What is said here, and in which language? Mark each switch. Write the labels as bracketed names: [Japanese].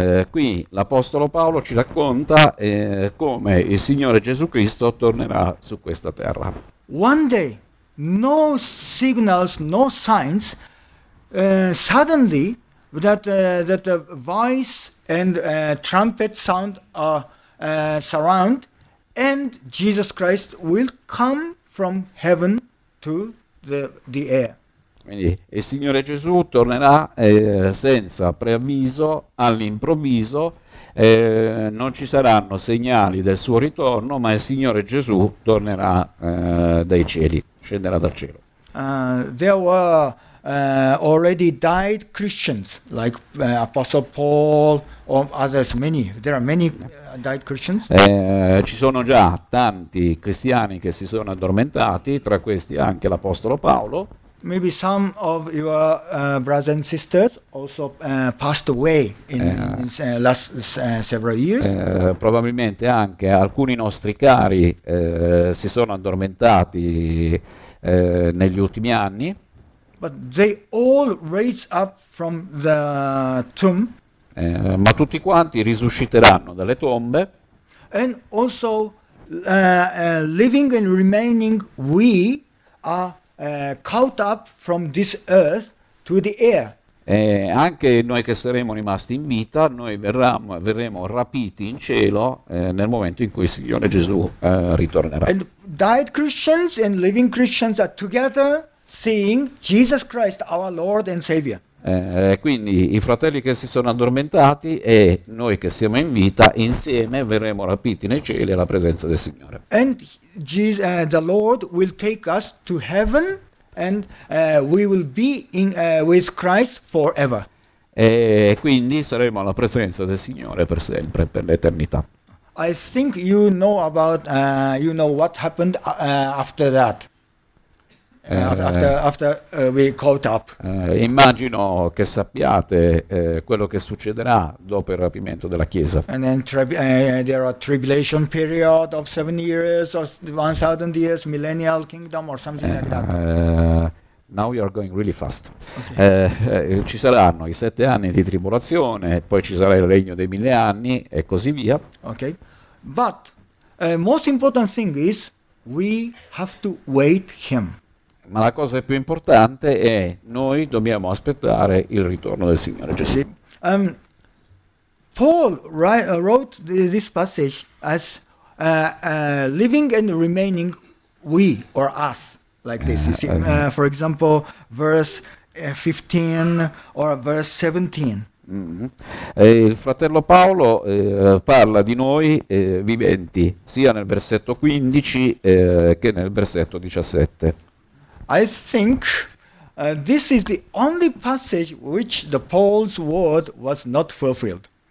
[Italian] Qui l'Apostolo Paolo ci racconta come il Signore Gesù Cristo tornerà su questa terra. [English] One day, no signals, no signs, suddenly that the voice and trumpet sound are surround, and Jesus Christ will come from heaven to the air. [Italian] Quindi il Signore Gesù tornerà senza preavviso, all'improvviso, non ci saranno segnali del suo ritorno, ma il Signore Gesù tornerà dai cieli, scenderà dal cielo. [English] There were already died Christians, like Apostle Paul or others, many. There are many died Christians. [Italian] Ci sono già tanti cristiani che si sono addormentati, tra questi anche l'Apostolo Paolo. [English] Maybe some of your brothers and sisters also passed away in last several years. [Italian] Probabilmente anche alcuni nostri cari si sono addormentati negli ultimi anni. [English] But they all raised up from the tomb. [Italian] Ma tutti quanti risusciteranno dalle tombe. [English] And also living and remaining we are caught up from this earth to the air. [Italian] Anche noi che saremo rimasti in vita, noi verremo rapiti in cielo nel momento in cui il Signore Gesù ritornerà. [English] And died Christians and living Christians are together seeing Jesus Christ, our Lord and Savior. [Italian] Quindi i fratelli che si sono addormentati e noi che siamo in vita insieme verremo rapiti nei cieli alla presenza del Signore. [English] And the Lord will take us to heaven and we will be in with Christ forever. [Italian] E quindi saremo alla presenza del Signore per sempre, per l'eternità. [English] I think you know about you know what happened after that. After we caught up. [Italian] Immagino che sappiate quello che succederà dopo il rapimento della Chiesa. [English] And then there are tribulation period of 7 years or 1,000 years, millennial kingdom or something like that. Now we are going really fast. Okay. [Italian] Ci saranno i 7 anni di tribolazione, poi ci sarà il regno dei 1,000 anni e così via. [English] Okay, but most important thing is we have to wait him. [Italian] ma la cosa più importante è noi dobbiamo aspettare il ritorno del Signore Gesù. [English] Paul wrote this passage as living and remaining we or us, like this. You see, for example, verse 15 or verse 17. Mm-hmm. [Italian] Il fratello Paolo parla di noi viventi, sia nel versetto 15 che nel versetto 17. [English] I think this is the only passage which the Paul's word was not fulfilled.